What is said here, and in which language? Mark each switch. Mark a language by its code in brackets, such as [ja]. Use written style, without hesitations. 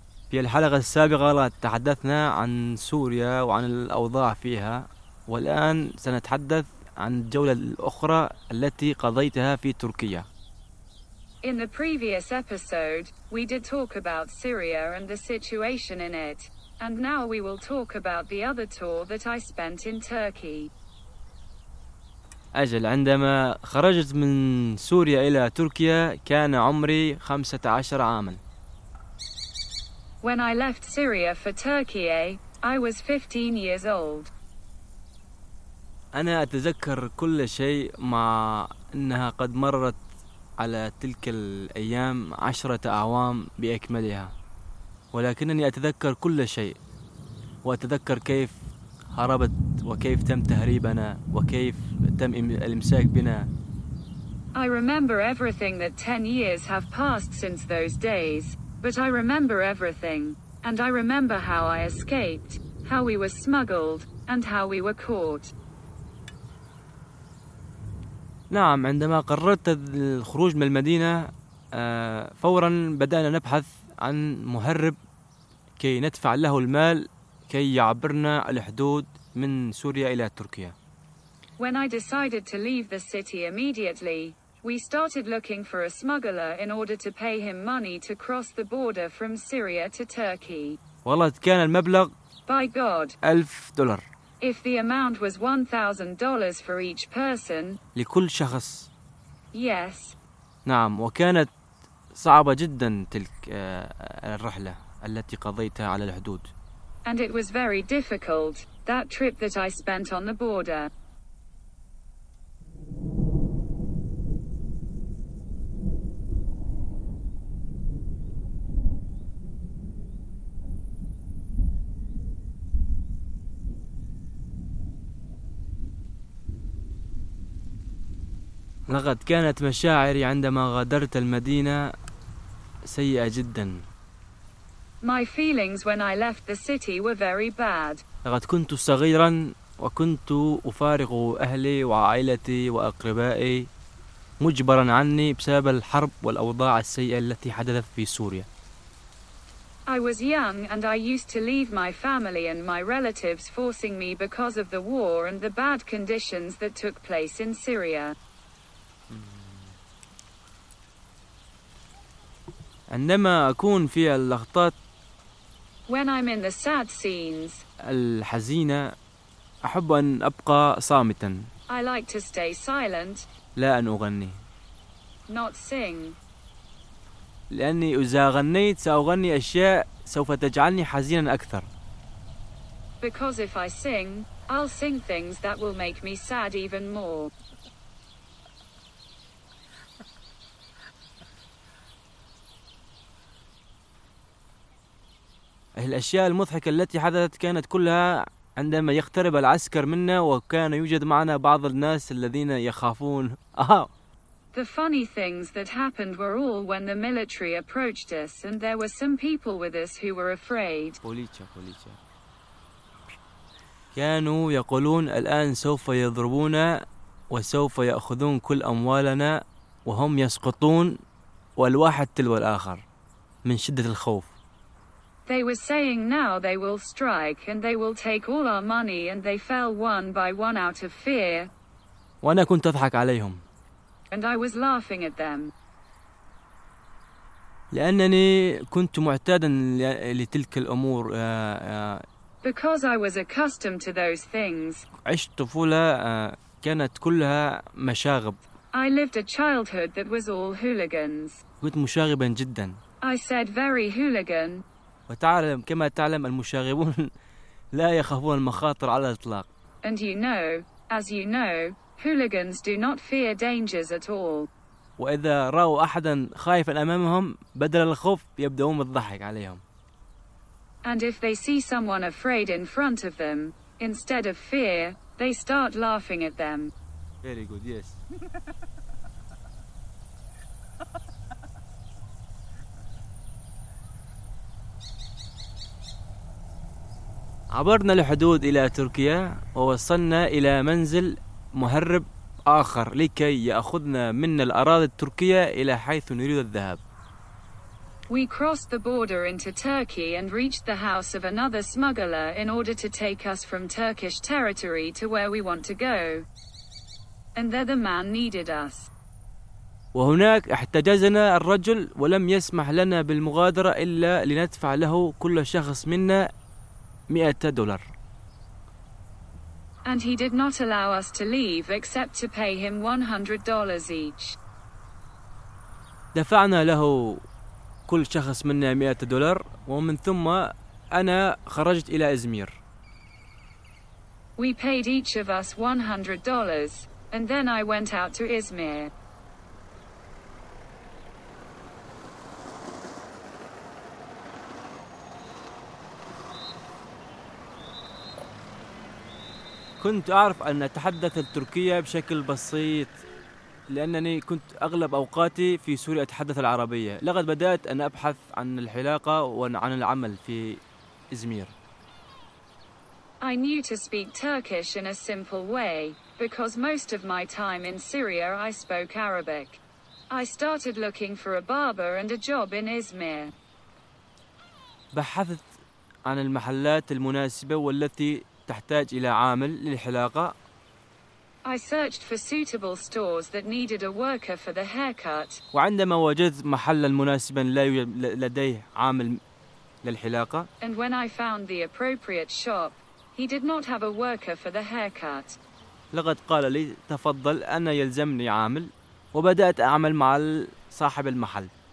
[ar] في الحلقة السابقة تحدثنا عن سوريا وعن الأوضاع فيها، والآن سنتحدث عن الجولة الأخرى التي قضيتها في تركيا. [en] In the previous episode, we did talk about Syria and the situation in it. And now we will talk about the other tour that I spent in Turkey. [ar] أجل، عندما خرجت من سوريا إلى تركيا كان عمري 15 عاما. [en] When I left Syria for Turkey, I was 15 years old. [ar] أنا أتذكر كل شيء مع أنها قد مرت على تلك الأيام 10 أعوام بأكملها. ولكنني أتذكر كل شيء، وأتذكر كيف هربت وكيف تم تهريبنا وكيف تم الإمساك بنا. [en] I remember everything that 10 years have passed since those days, but I remember everything, and I remember how I escaped, how we were smuggled, and how we were caught. [ar] نعم، عندما قررت الخروج من المدينة فورا بدأنا نبحث عن مهرب كي ندفع له المال كي يعبرنا الحدود من سوريا إلى تركيا. [en] When I decided to leave the city immediately, we started looking for a smuggler in order to pay him money to cross the border from Syria to Turkey. [ar] والله كان المبلغ [en] By God. $1,000. If the amount was $1,000 for each person. [ar] لكل شخص. [en] Yes. [ar] نعم، وكانت صعبة جدا تلك الرحلة التي قضيتها على الحدود. [en] And it was very difficult, that trip that I spent on the border. [ar] لقد كانت مشاعري عندما غادرت المدينة سيئة جدا. [en] My feelings when I left the city were very bad. [ar] لقد كنت صغيرا وكنت أفارق أهلي وعائلتي وأقربائي مجبرا عني بسبب الحرب والأوضاع السيئة التي حدثت في سوريا. [en] I was young and I used to leave my family and my relatives forcing me because of the war and the bad conditions that took place in Syria. [ar] عندما أكون في اللحظات [en] When I'm in the sad scenes, [ar] الحزينة أحب أن أبقى صامتا. [en] I like to stay silent. [ar] لا أن أغني. [en] Not sing. [ar] لأني إذا غنيت سأغني أشياء سوف تجعلني حزينا أكثر. [en] Because if I sing, I'll sing things that will make me sad even more. [ar] الأشياء المضحكة التي حدثت كانت كلها عندما يقترب العسكر منا وكان يوجد معنا بعض الناس الذين يخافون. [en] The funny things that happened were all when the military approached us and there were some people with us who were afraid. بوليتشا. [ar] كانوا يقولون الآن سوف يضربونا وسوف يأخذون كل أموالنا وهم يسقطون والواحد تلو الآخر من شدة الخوف. [en] They were saying now they will strike and they will take all our money and they fell one by one out of fear. [ar] وأنا كنت أضحك عليهم. [en] And I was laughing at them. [ar] لأنني كنت معتادا لتلك الأمور. [en] Because I was accustomed to those things. [ar] عشت طفولة كانت كلها مشاغب. [en] I lived a childhood that was all hooligans. [ar] كنت مشاغبا جدا. [en] I said very hooligan. [ar] وتعلم كما تعلم المشاغبون لا يخافون المخاطر على الإطلاق. [en] And you know, as you know, hooligans do not fear dangers at all. [ar] وإذا رأوا أحدا خائفا أمامهم بدل الخوف يبدأون بالضحك عليهم. [en] And if they see someone afraid in front of them, instead of fear, they start laughing at them. Very good, yes. [ar] عبرنا الحدود إلى تركيا ووصلنا إلى منزل مهرب آخر لكي يأخذنا من الأراضي التركية إلى حيث نريد الذهاب. [en] We crossed the border into Turkey and reached the house of another smuggler in order to take us from Turkish territory to where we want to go. And there the man needed us. [ar] وهناك احتجزنا الرجل ولم يسمح لنا بالمغادرة إلا لندفع له كل شخص منا $100. [en] And he did not allow us to leave except to pay him $100 each. [ar] دفعنا له كل شخص منا $100 ومن ثم أنا خرجت إلى إزمير. [en] We paid each of us $100 and then I went out to Izmir. [ar] كنت أعرف أن أتحدث التركية بشكل بسيط لأنني كنت أغلب أوقاتي في سوريا أتحدث العربية. لقد بدأت أن أبحث عن الحلاقة وعن العمل في إزمير. [en] I knew to speak Turkish in a simple way because most of my time in Syria I spoke Arabic. I started looking for a barber and a job in Izmir. [ar] بحثت عن المحلات المناسبة والتي تحتاج إلى عامل للحلاقة. [en] I searched for suitable stores that needed a worker for the haircut. [ar] وعندما وجدت محلا مناسبا لا يوجد لديه عامل للحلاقة. [en] And when I found the appropriate shop, he did not have a worker for the haircut. [ar] لقد قال لي تفضل أنا يلزمني عامل وبدأت أعمل مع صاحب المحل.